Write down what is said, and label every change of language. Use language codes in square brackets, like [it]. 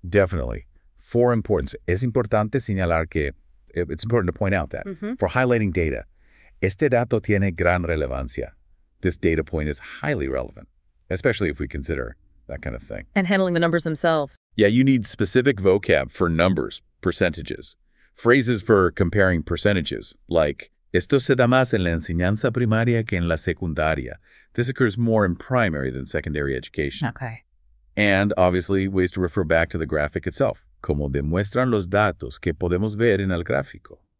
[en] Definitely. For importance, [es] es importante señalar que... [en] It's important to point out that for highlighting data, [es] este dato tiene gran relevancia. [en] This data point is highly relevant, especially if we consider that kind of thing. And handling the numbers themselves. Yeah, you need specific vocab for numbers, percentages. Phrases for comparing percentages, like, [es] esto se da más en la enseñanza primaria que en la secundaria. [en] This occurs more in primary than secondary education. Okay. And obviously, ways to refer back to the graphic itself. [es] Como demuestran los datos que podemos ver en el gráfico.